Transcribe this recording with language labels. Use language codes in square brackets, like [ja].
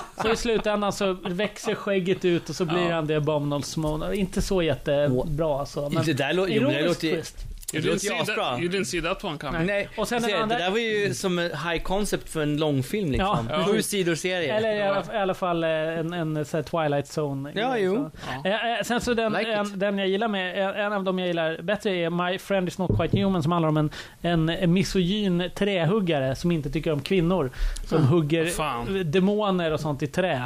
[sv] Så i slutändan så växer skägget ut och så blir han det [en] abominable snowman. [sv] Inte så jättebra. Alltså, men det där låter... [en] You didn't see that one coming. [sv] Nej. Och sen ser, andra... Det där var ju som high concept för en långfilm liksom. Ja. Ja. Sju sidor serie. Eller i alla fall en så här Twilight Zone. Ja, jo. Ja. Sen så den, like den jag gillar med, en av dem jag gillar bättre är My Friend Is Not Quite Human, som handlar om en misogyn trähuggare som inte tycker om kvinnor, som hugger demoner och sånt i trä.